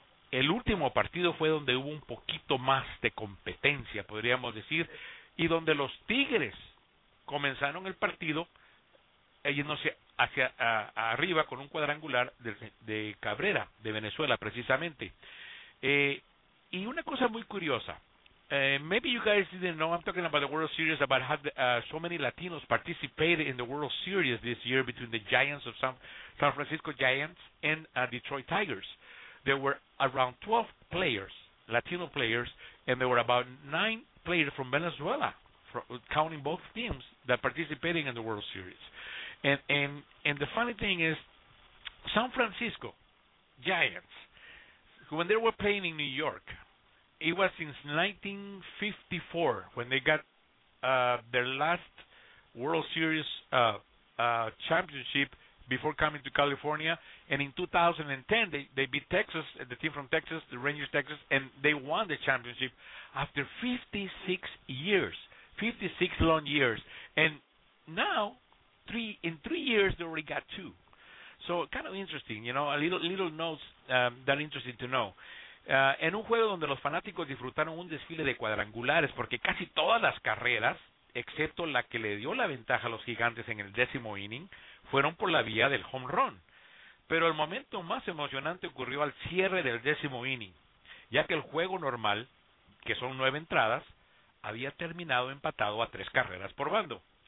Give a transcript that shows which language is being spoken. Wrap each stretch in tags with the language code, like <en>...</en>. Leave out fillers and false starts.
<es>El último partido fue donde hubo un poquito más de competencia, podríamos decir, y donde los Tigres comenzaron el partido yéndose hacia arriba con un cuadrangular de Cabrera, de Venezuela, precisamente. Y una cosa muy curiosa.</es> <en>Maybe you guys didn't know, I'm talking about the World Series, about how so many Latinos participated in the World Series this year between the Giants of San Francisco Giants and Detroit Tigers. There were around 12 players, Latino players, and there were about 9 players from Venezuela, counting both teams, that participating in the World Series. And the funny thing is, San Francisco Giants, when they were playing in New York, it was since 1954 when they got their last World Series championship before coming to California. And in 2010, they beat Texas, the team from Texas, the Rangers Texas, and they won the championship after 56 years, 56 long years. And now, in three years, they already got 2. So kind of interesting, you know, a little notes that are interesting to know.</en> <es>en un juego donde los fanáticos disfrutaron un desfile de cuadrangulares, porque casi todas las carreras, excepto la que le dio la ventaja a los Gigantes en el décimo inning, fueron por la vía del home run. Pero el momento más emocionante ocurrió al cierre del décimo inning, ya que el juego normal, que son 9 entradas, había terminado empatado a 3 carreras por bando.</es>